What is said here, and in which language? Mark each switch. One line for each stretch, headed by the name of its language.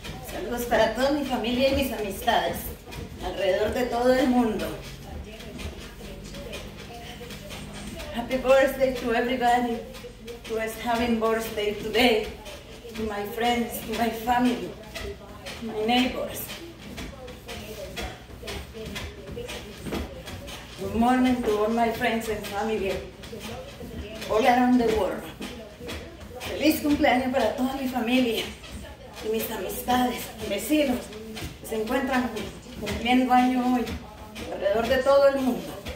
Spanish: Saludos para toda mi familia y mis amistades alrededor de todo el mundo.
English: Happy birthday to everybody who is having birthday today, to my friends, to my family, to my neighbors. Good morning to all my friends and family all around the world.
Spanish: Feliz cumpleaños para toda mi familia y mis amistades, mis vecinos, que se encuentran cumpliendo año hoy alrededor de todo el mundo.